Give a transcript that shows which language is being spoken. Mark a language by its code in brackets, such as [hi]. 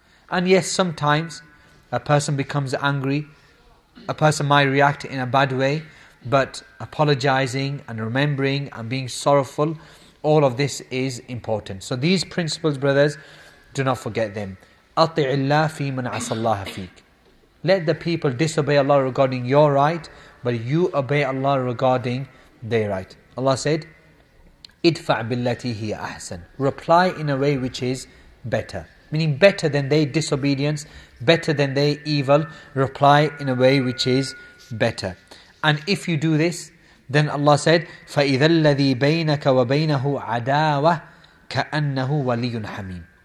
[en] And yes, sometimes a person becomes angry, a person might react in a bad way, but apologizing and remembering and being sorrowful, all of this is important. So these principles, brothers, do not forget them. [ar] أَطِعِ اللَّهَ فِي مَنْ عَصَى اللَّهَ فِيكَ. [en] Let the people disobey Allah regarding your right, but you obey Allah regarding their right. [ar] Allah [en] said, [ar] ادفع بالتي هي أحسن. [en] Reply in a way which is better. Meaning better than their disobedience, better than their evil. Reply in a way which is better. And if you do this, then Allah said, [ar] فَإِذَا الَّذِي بَيْنَكَ وَبَيْنَهُ عَدَاوَةٌ كَأَنَّهُ وَلِيٌّ حَمِيمٌ.